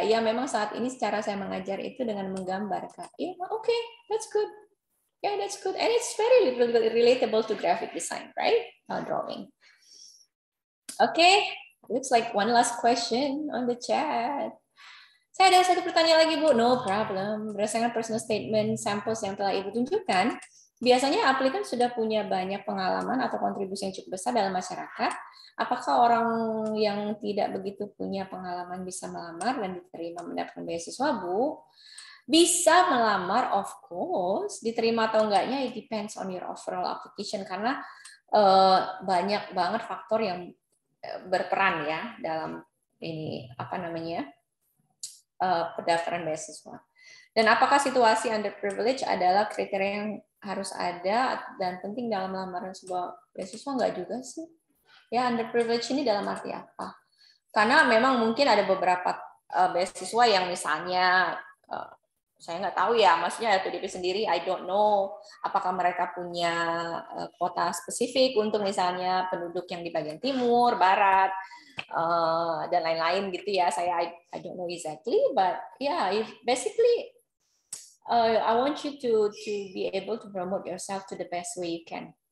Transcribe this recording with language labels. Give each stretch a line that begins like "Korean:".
Indonesian: Ya, memang saat ini secara saya mengajar itu dengan menggambar, Kak.
English: Ya, yeah, okay, that's good. Yeah, that's good. And it's very relatable to graphic design, right? Drawing. Okay, looks like one last question on the chat.
Indonesian: Saya ada satu pertanyaan lagi, Bu.
English: No problem.
Indonesian: Berdasarkan personal statement samples yang telah Ibu tunjukkan, biasanya aplikan sudah punya banyak pengalaman atau kontribusi yang cukup besar dalam masyarakat. Apakah orang yang tidak begitu punya pengalaman bisa melamar dan diterima mendapatkan beasiswa, Bu? Bisa melamar,
English: of course.
Indonesian: Diterima atau enggaknya,
English: it depends on your overall application.
Indonesian: Karena banyak banget faktor yang berperan ya dalam ini apa namanya pendaftaran beasiswa. Dan apakah situasi underprivileged adalah kriteria yang harus ada dan penting dalam lamaran sebuah beasiswa? Enggak juga sih. Ya, underprivileged ini dalam arti apa? Karena memang mungkin ada beberapa beasiswa yang misalnya, saya enggak tahu ya, maksudnya LPDP sendiri,
English: I don't know
Indonesian: apakah mereka punya kuota spesifik untuk misalnya penduduk yang di bagian timur, barat, dan lain-lain gitu ya. Saya
English: I don't know exactly, but yeah, if basically, I want you to be able to promote yourself to the best way you can.